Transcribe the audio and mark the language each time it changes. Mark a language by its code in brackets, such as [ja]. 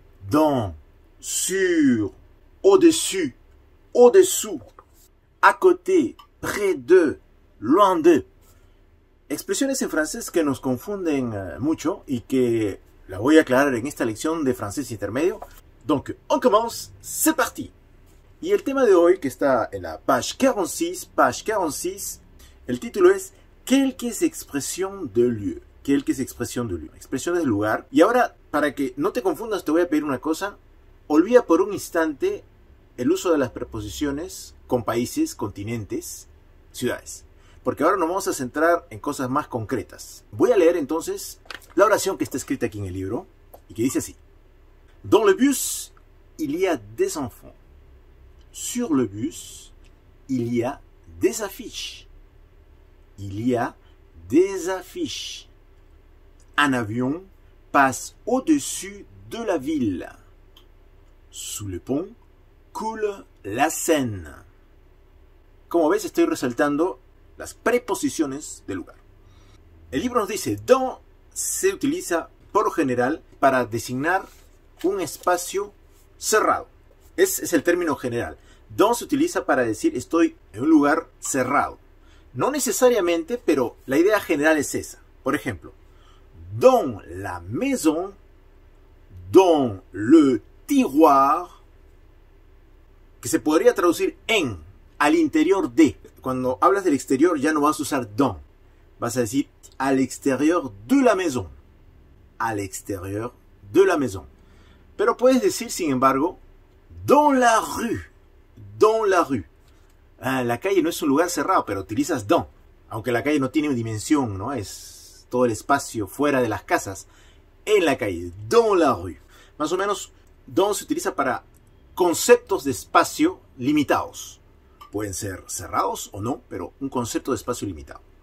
[fr] dans, sur, au-dessus, au-dessous, à côté, près de, loin de. [es] Expresiones en francés que nos confunden mucho y que la voy a aclarar en esta lección de francés intermedio. [fr] Donc, on commence, c'est parti. [es] Y el tema de hoy, que está en la page 46, el título es [fr] Quelques expressions de lieu. Quelques expressions de lieu. [es] Expresión del lugar. Y ahora, para que no te confundas, te voy a pedir una cosa. Olvida por un instante el uso de las preposiciones con países, continentes, ciudades. Porque ahora nos vamos a centrar en cosas más concretas. Voy a leer entonces la oración que está escrita aquí en el libro y que dice así. [fr] Dans le bus, il y a des enfants. Sur le bus, il y a des affiches. Il y a des affiches. Un avion passe au-dessus de la ville. Sous le pont, coule la Seine. [es] Como ves, estoy resaltando las preposiciones del lugar. El libro nos dice, dans se utiliza por general para designar un espacio cerrado. Ese es el término general. Dans se utiliza para decir estoy en un lugar cerrado. No necesariamente, pero la idea general es esa. Por ejemplo, [fr] dans la maison, dans le tiroir, [es] que se podría traducir en, al interior de. Cuando hablas del exterior ya no vas a usar dans, vas a decir al exterior de la maison, al exterior de la maison. Pero puedes decir, sin embargo, [fr] dans la rue, dans la rue. [es] La calle no es un lugar cerrado, pero utilizas dans, aunque la calle no tiene dimensión, ¿no? Es todo el espacio fuera de las casas, en la calle, [fr] dans la rue. [es] Más o menos, dans se utiliza para conceptos de espacio limitados. Pueden ser cerrados o no, pero un concepto de espacio limitado.